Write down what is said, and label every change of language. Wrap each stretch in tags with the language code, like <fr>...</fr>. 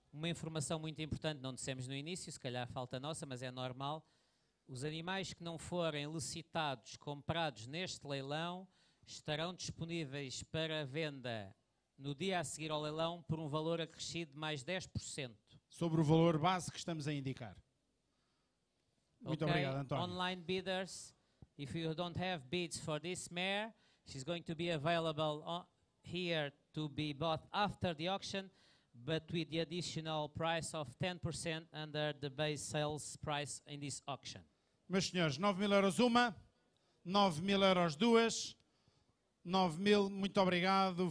<pt>Uma informação muito importante, não dissemos no início, se calhar falta nossa, mas é normal. Os animais que não forem licitados, comprados neste leilão, estarão disponíveis para venda no dia a seguir ao leilão, por um valor acrescido de mais 10%. Sobre o valor base que estamos a indicar. Muito okay. Obrigado, António.</pt> <en>Online bidders, if you don't have bids for this mare, she's going to be available here to be bought after the auction, but with the additional price of 10% under the base sales price in this auction.</en> <pt>Meus senhores, 9 mil euros uma, 9 mil euros duas, 9 mil, muito obrigado.</pt>